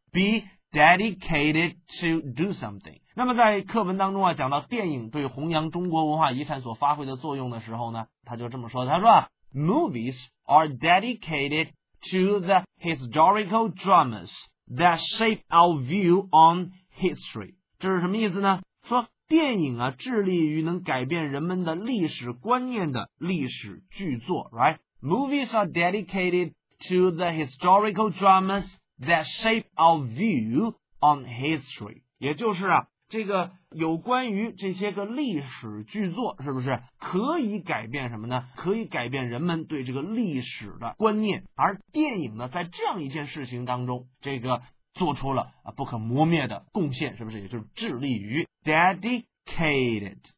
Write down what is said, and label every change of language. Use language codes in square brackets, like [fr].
[en] Be dedicated to do something。 [zh] 那么在课文当中啊，讲到电影对弘扬中国文化遗产所发挥的作用的时候呢，他就这么说，他说 ， [en] Movies are dedicated to the historical dramas that shape our view on history。 [zh] 这是什么意思呢？说电影啊致力于能改变人们的历史观念的历史巨作， [en] right? Movies are dedicated to the historical dramas that shape our view on history. [zh] 也就是啊，这个有关于这些个历史巨作，是不是可以改变什么呢？可以改变人们对这个历史的观念。而电影呢，在这样一件事情当中，这个做出了不可磨灭的贡献，是不是？也就是致力于 dedicated。